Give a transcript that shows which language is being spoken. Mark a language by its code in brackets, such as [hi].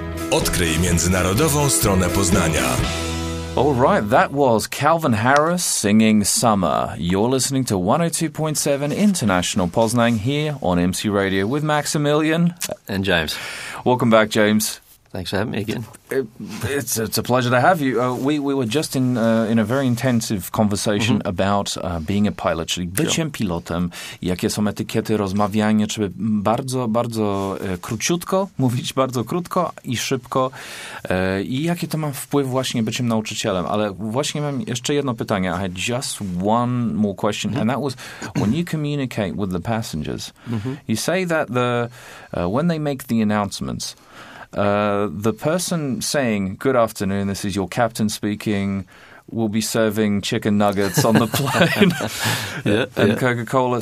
[pl] Odkryj międzynarodową stronę Poznania. [en] All right, that was Calvin Harris singing Summer. You're listening to 102.7 International Poznań here on MC Radio with Maximilian. And James. Welcome back, James. Thanks for having me again. It's a pleasure to have you. We were just in a very intensive conversation about being a pilot, [pl] czyli byciem pilotem, jakie są etykiety, rozmawianie, czy bardzo, bardzo króciutko, mówić bardzo krótko i szybko i jakie to ma wpływ właśnie byciem nauczycielem. Ale właśnie mam jeszcze jedno pytanie. [en] I had just one more question, and that was, when you communicate with the passengers, you say that when they make the announcements, the person saying, good afternoon, this is your captain speaking, will be serving chicken nuggets on the plane Coca-Cola.